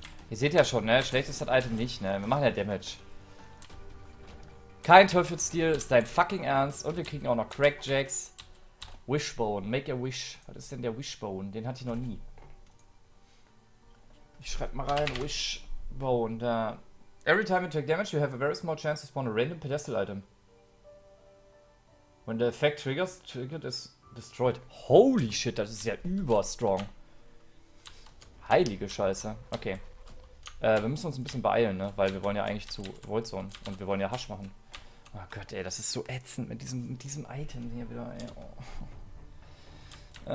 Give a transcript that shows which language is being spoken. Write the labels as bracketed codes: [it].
[de] Ihr seht ja schon, ne? Schlecht ist das Item nicht, ne? Wir machen ja Damage. Kein Teufelsstil, ist dein fucking Ernst. Und wir kriegen auch noch Crackjacks. Wishbone, make a wish. Was ist denn der Wishbone? Den hatte ich noch nie. Ich schreib mal rein, Wishbone. Da. [en] Every time you take damage, you have a very small chance to spawn a random pedestal item. When the effect triggers, triggered is destroyed. [de] Holy shit, das ist ja überstrong. Heilige Scheiße. Okay. Wir müssen uns ein bisschen beeilen, ne? Weil wir wollen ja eigentlich zu Voidzone und wir wollen ja Hasch machen. Oh Gott, ey, das ist so ätzend mit diesem Item hier wieder, ey.